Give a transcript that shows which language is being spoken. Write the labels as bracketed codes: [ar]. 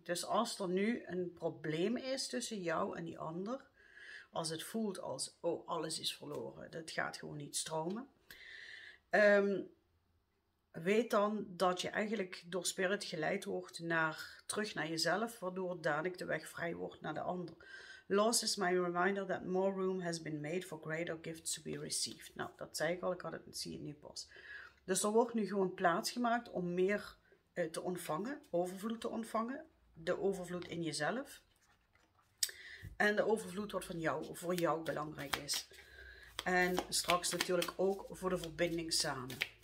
[nl] Dus als er nu een probleem is tussen jou en die ander. Als het voelt als, oh, alles is verloren. Dat gaat gewoon niet stromen. Weet dan dat je eigenlijk door spirit geleid wordt naar terug naar jezelf. Waardoor dadelijk de weg vrij wordt naar de ander. [en] Loss is my reminder that more room has been made for greater gifts to be received. [nl] Nou, dat zei ik al. Ik had het zien nu pas. Dus er wordt nu gewoon plaats gemaakt om meer te ontvangen. Overvloed te ontvangen. De overvloed in jezelf. En de overvloed wat van jou, voor jou belangrijk is. En straks natuurlijk ook voor de verbinding samen.